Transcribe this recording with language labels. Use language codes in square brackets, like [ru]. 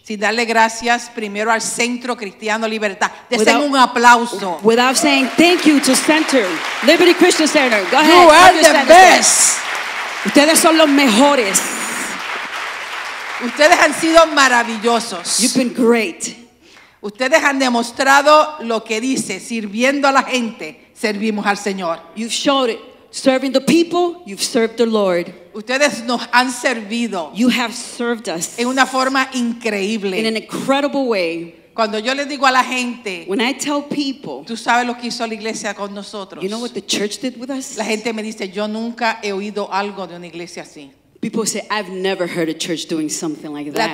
[es] Y darle gracias primero al Centro Cristiano Libertad. Desen un aplauso. [en] Without saying thank you to Center, Liberty Christian Center. Go ahead. You are the best. [es] Ustedes son los mejores. Ustedes han sido maravillosos. [en] You've been great. [es] Ustedes han demostrado lo que dice, sirviendo a la gente, servimos al Señor. [en] You've showed it. Serving the people, you've served the Lord. [es] Ustedes nos han servido. [en] You have served us. [es] En una forma increíble. [en] In an incredible way. [es] Cuando yo le digo a la gente, [en] when I tell people, [es] tú sabes lo que hizo la iglesia con nosotros. [en] You know what the church did with us? [es] La gente me dice, yo nunca he oído algo de una iglesia así. [en] People say, I've never heard a church doing something like that.